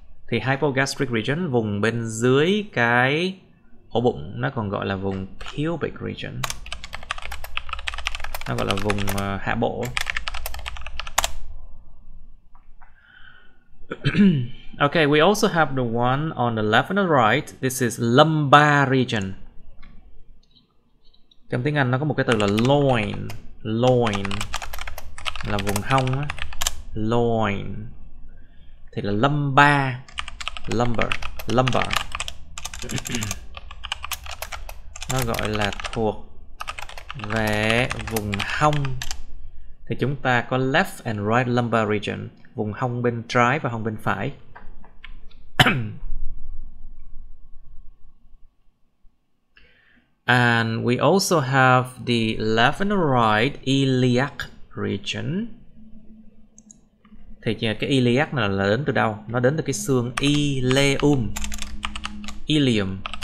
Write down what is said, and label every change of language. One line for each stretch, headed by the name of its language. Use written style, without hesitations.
Vietnamese: Thì hypogastric region, vùng bên dưới cái ổ bụng, nó còn gọi là vùng pubic region, nó gọi là vùng hạ bộ.
English: Okay, we also have the one on the left and the right. This is lumbar region.
Vietnamese: Trong tiếng Anh nó có một cái từ là loin. Loin là vùng hông á. Loin thì là lumbar.
English: Lumbar.
Vietnamese: Nó gọi là thuộc về vùng hông. Thì chúng ta có
English: left and right lumbar region,
Vietnamese: vùng hông bên trái và hông bên phải.
English: And we also have the left and right iliac region.
Vietnamese: Thì cái iliac này là đến từ đâu? Nó đến từ cái xương ileum. Ileum.